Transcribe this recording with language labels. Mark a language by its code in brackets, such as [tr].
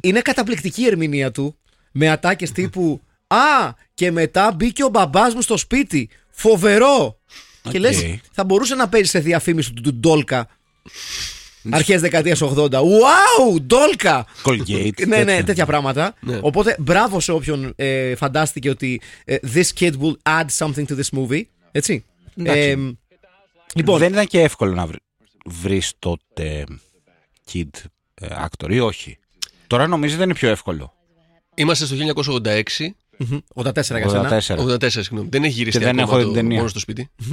[el] Είναι καταπληκτική η ερμηνεία του με ατάκες τύπου Α, και μετά μπήκε ο μπαμπάς μου στο σπίτι. Φοβερό. Okay. Και λες, θα μπορούσε να παίζει σε διαφήμιση του Ντόλκα. Αρχές δεκαετίας 80. Wow, Ντόλκα! Colgate. Ναι, ναι, τέτοια πράγματα. Ναι. Οπότε, μπράβο σε όποιον φαντάστηκε ότι [en] this kid will add something to this movie. [el] Έτσι. Λοιπόν, δεν ήταν και εύκολο να βρεις τότε kid actor ή όχι. Τώρα νομίζω δεν είναι πιο εύκολο. Είμαστε στο 1986. 84 για σένα. 84, συγγνώμη. Δεν έχει γυρίσει ακόμα. Δεν έχω την ταινία. Μόνο στο σπίτι.